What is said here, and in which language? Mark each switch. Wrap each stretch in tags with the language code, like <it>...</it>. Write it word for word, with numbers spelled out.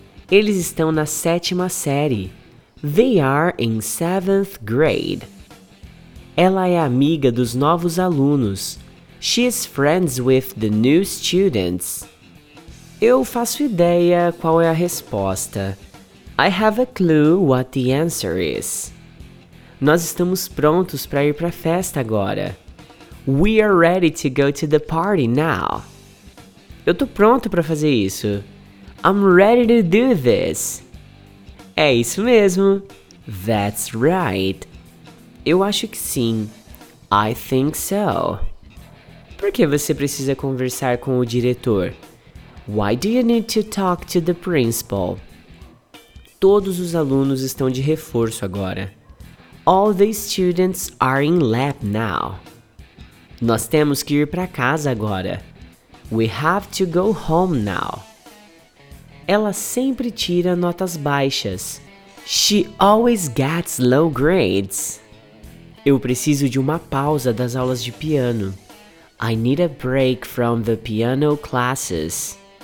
<pt>Eles estão na sétima série.</pt> <en>They are in seventh grade.</en> <pt>Ela é amiga dos novos alunos.</pt> <en>She is friends with the new students.</en> <pt>Eu faço ideia qual é a resposta.</pt> <en>I have a clue what the answer is.</en> <pt>Nós estamos prontos para ir para a festa agora.</pt> <en>We are ready to go to the party now.</en> <pt>Eu tô pronto para fazer isso.</pt> <en>I'm ready to do this.</en> <pt>É isso mesmo.</pt> <en>That's right.</en> <pt>Eu acho que sim.</pt> <en>I think so.</en> <pt>Por que você precisa conversar com o diretor?</pt> <en>Why do you need to talk to the principal?</en> <pt>Todos os alunos estão de reforço agora.</pt> <en>All the students are in lab now.</en> <pt>Nós temos que ir para casa agora.</pt> <en>We have to go home now.</en> <pt>Ela sempre tira notas baixas.</pt> <en>She always gets low grades.</en> <pt>Eu preciso de uma pausa das aulas de piano.</pt> <en>I need a break from the piano classes.</en>